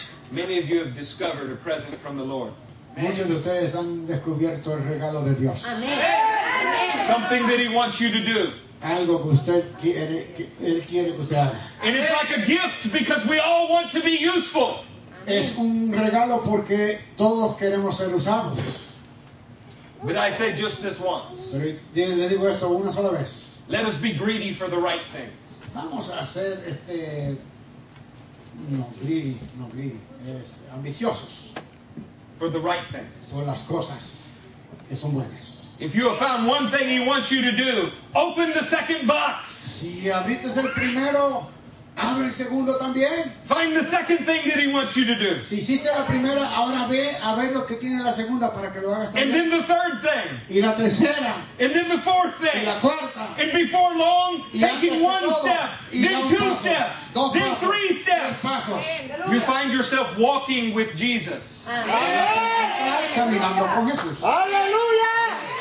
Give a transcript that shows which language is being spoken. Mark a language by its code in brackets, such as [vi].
[en] Many of you have discovered a present from the Lord. [es] Muchos de ustedes han descubierto el regalo de Dios. [en] Something that he wants you to do. [es] Algo que usted quiere, que él quiere que usted haga. [en] And it's like a gift because we all want to be useful. [es] Es un regalo porque todos queremos ser usados. [en] But I say just this once. [es] Pero le digo esto una sola vez. [en] Let us be greedy for the right things. [es] Vamos a ser no greedy. Es ambiciosos. [en] For the right things. [es] Por las cosas que son buenas. [en] If you have found one thing he wants you to do, open the second box. [es] Si abriste el primero, abre el segundo también. [en] Find the second thing that he wants you to do. [es] Si hiciste la primera, ahora ve a ver lo que tiene la segunda para que lo hagas también. [en] And then the third thing. [es] Y la tercera. [en] And then the fourth thing. [es] Y la cuarta. [en] And before long, taking one step, then two steps, then three steps, you find yourself walking with Jesus. [es] Caminando con Jesús. Aleluya.